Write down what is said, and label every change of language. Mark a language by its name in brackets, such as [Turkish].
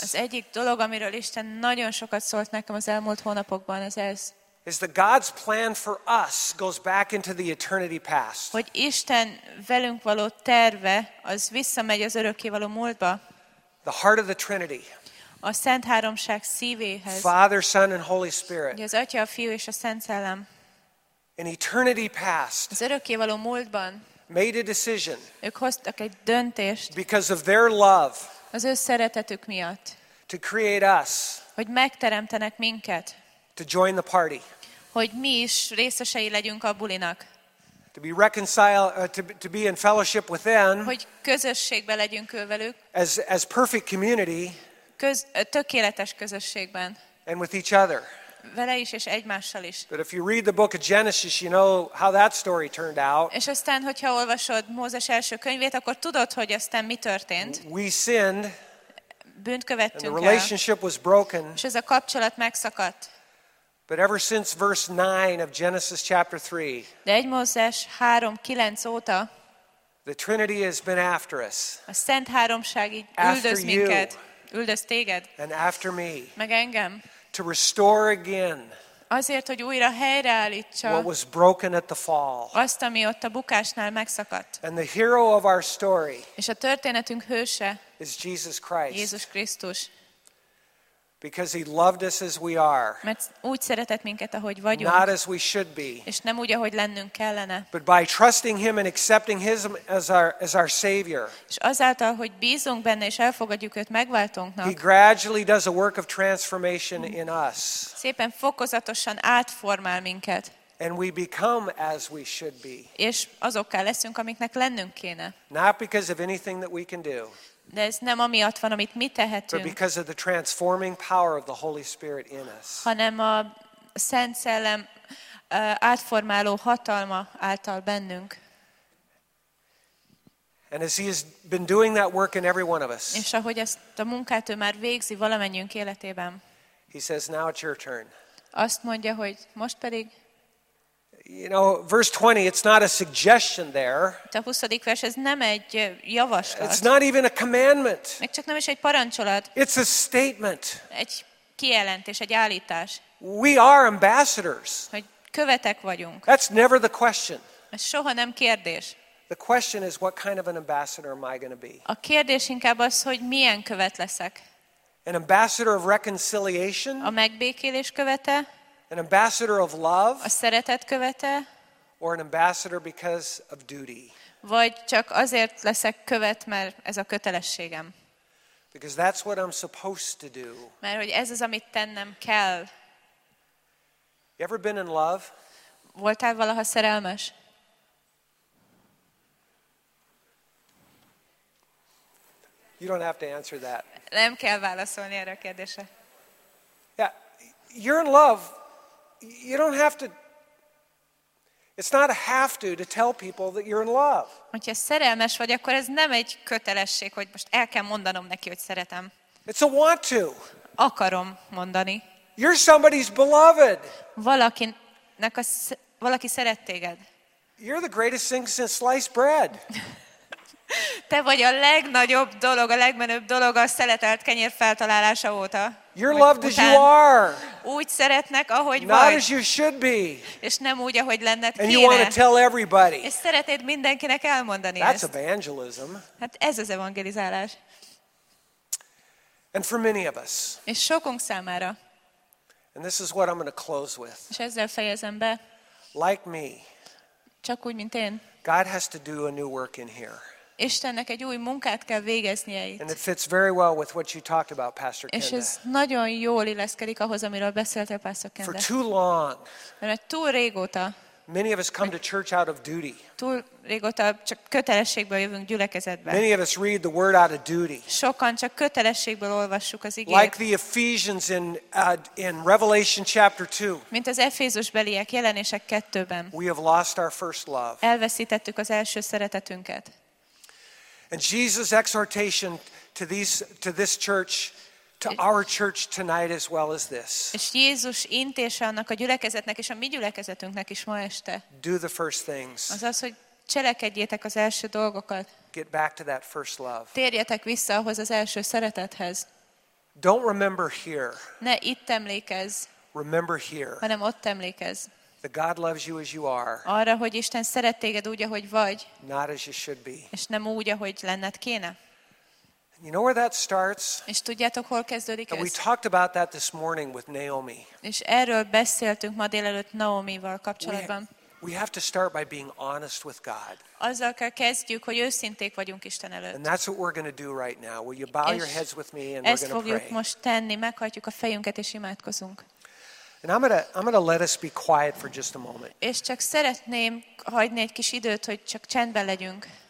[Hungarian] Az egyik dolog, amiről Isten nagyon sokat szólt nekem az elmúlt hónapokban, az ez. [English] Is that God's plan for us goes back into the eternity past. [Hungarian] Hogy Isten velünk való terve, az visszamegy az örökkévaló múltba. [English] The heart of the Trinity. [Hungarian] A Szent Háromság szívéhez. [English] Father, Son and Holy Spirit. [Hungarian] Az Atya, a Fiú és a Szent Szellem. [English] In eternity past. [Hungarian] Az örökkévaló múltban. [English] Made a decision. [Hungarian] Ők hoztak egy döntést. [English] Because of their love. [Hungarian] Az ő szeretetük miatt. [English] To create us. [Hungarian] Hogy megteremtenek minket. [English] To join the party. [Hungarian] Hogy mi is részesei legyünk a bulinak. [English] To be reconciled, to be in fellowship with them. [Hungarian] Hogy közösségben legyünk ővelük. [English] As perfect community. [Hungarian] Tökéletes közösségben. [English] And with each other. [Hungarian] Vele is és egymással is. [English] But if you read the book of Genesis, you know how that story turned out. [Hungarian] És aztán, hogyha olvasod Mózes első könyvét, akkor tudod, hogy aztán mi történt. [English] We sinned. [Hungarian] Bűnt követtünk el. [English] The relationship was broken. [Hungarian] És ez a kapcsolat megszakadt. [English] But ever since verse 9 of Genesis chapter 3. [Hungarian] De 1 Mózes 3:9 óta. [English] The Trinity has been after us. [Hungarian] A Szent Háromság így üldöz minket. Üldöz téged. [English] And after me. [Hungarian] Meg engem. [English] To restore again. [Hungarian] Azért, hogy újra helyreállítsa. [English] What was broken at the fall. [Hungarian] Azt, ami ott a bukásnál megszakadt. [English] And the hero of our story. [Hungarian] És a történetünk hőse. [English] Is Jesus Christ. [Hungarian] Jézus Krisztus. [English] Because he loved us as we are. [Hungarian] Mert úgy szeretett minket, ahogy vagyunk. [English] Not as we should be. [Hungarian] És nem úgy, ahogy lennünk kellene. [English] But by trusting him and accepting him as our savior. [Hungarian] És azáltal, hogy bízunk benne és elfogadjuk őt megváltónknak. [English] He gradually does a work of transformation in us. [Hungarian] Szépen fokozatosan átformál minket. [English] And we become as we should be. [Hungarian] És azokká leszünk, amiknek lennünk kéne. [English] Not because of anything that we can do. [Hungarian] De ez nem amiatt van, amit mi tehetünk. [English] But because of the transforming power of the Holy Spirit in us. [Hungarian] Hanem a Szent Szellem átformáló hatalma által bennünk. [English] And as he has been doing that work in every one of us. [Hungarian] És ahogy ezt a munkát ő már végzi valamennyünk életében. [English] He says, now it's your turn. [Hungarian] Azt mondja, hogy most pedig. [English] You know, verse 20, it's not a suggestion there. [Hungarian] A 20. vers, ez nem egy javaslat. [English] It's not even a commandment. [Hungarian] Még csak nem is egy parancsolat. [English] It's a statement. [Hungarian] Egy kijelentés, egy állítás. [English] We are ambassadors. [Hungarian] Hogy követek vagyunk. [English] That's never the question. [Hungarian] Ez soha nem kérdés. [English] The question is, what kind of an ambassador am I going to be? [Hungarian] A kérdés inkább az, hogy milyen követ leszek. [English] An ambassador of reconciliation? [Hungarian] A megbékélés követe. [English] An ambassador of love, [Hungarian] a szeretet követe, [English] or an ambassador because of duty. [Hungarian] Vagy csak azért leszek követ, mert ez a kötelességem. [English] Because that's what I'm supposed to do. [Hungarian] Mert hogy ez az, amit tennem kell. [English] You ever been in love? [Hungarian] Voltál valaha szerelmes? [English] You don't have to answer that. [Hungarian] Nem kell válaszolni erre a kérdésre. [English] Yeah, you're in love. You don't have to. It's not a have to tell people that you're in love. [Hungarian] Hogyha szerelmes vagy, akkor ez nem egy kötelesség, hogy most el kell mondanom neki, hogy szeretem. [English] It's a want to. [Hungarian] Akarom mondani. [English] You're somebody's beloved. [Hungarian] Valakinek valaki szeret téged. [English] You're the greatest thing since sliced bread. [Hungarian] Te vagy a legnagyobb dolog, a legmenőbb dolog a szeletelt kenyér feltalálása óta. [English] You're loved as you are. [Hungarian] Úgy szeretnek, ahogy [English] not [Hungarian] vagy. [English] As you should be. [Hungarian] És nem úgy, ahogy lenned [English] and [Hungarian] kéne. [English] You want to tell everybody. [Hungarian] És szeretnéd mindenkinek elmondani. [English] That's [Hungarian] ezt. [English] Evangelism. [Hungarian] Hát ez az evangelizálás. [English] And for many of us. [Hungarian] És sokunk számára. [English] And this is what I'm going to close with. [Hungarian] És ezzel fejezem be. [English] Like me. [Hungarian] Csak úgy, mint én. [English] God has to do a new work in here. [Hungarian] Istennek egy új munkát kell végeznie itt. [English] And it fits very well with what you talked about, Pastor Kenda. [Hungarian] És ez nagyon jól illeszkedik ahhoz, amiről beszéltél, Pastor Kenda. [English] For too long. [Hungarian] Mert túl régóta. [English] Many of us come to church out of duty. [Hungarian] Túl régóta csak kötelességből jövünk gyülekezetbe. [English] Many of us read the word out of duty. [Hungarian] Sokan csak kötelességből olvassuk az igét. [English] Like the Ephesians in Revelation chapter 2. [Hungarian] Mint az Efézusbeliek Jelenések 2-ben. [English] We have lost our first love. [Hungarian] Elveszítettük az első szeretetünket. [English] And Jesus' exhortation to this church, to our church tonight as well as this. [Hungarian] És Jézus intése annak a gyülekezetnek és a mi gyülekezetünknek is ma este. [English] Do the first things. [Hungarian] Azaz, hogy cselekedjétek az első dolgokat. [English] Get back to that first love. [Hungarian] Térjetek vissza ahhoz az első szeretethez. [English] Don't remember here. [Hungarian] Ne itt emlékezz. [English] Remember here. [Hungarian] Hanem ott emlékezz. [English] That God loves you as you are. [Hungarian] Arra, hogy Isten szeret téged úgy, ahogy vagy. [English] Not as you should be. [Hungarian] És nem úgy, ahogy lenned kéne. [English] You know where that starts? [Hungarian] És tudjátok, hol kezdődik ez? [English] And we talked about that this morning with Naomi. [Hungarian] És erről beszéltünk ma délelőtt Naomival kapcsolatban. [English] We have to start by being honest with God. [Hungarian] Azzal kell kezdjük, hogy őszinték vagyunk Isten előtt. [English] And that's what we're going to do right now. Will you bow your heads with me and we're going to pray. [Hungarian] Ezt fogjuk most tenni, meghajtjuk a fejünket és imádkozunk. [English] And I'm gonna let us be quiet for just a moment. [Hungarian] És csak szeretném hagyni egy kis időt, hogy csak csendben legyünk.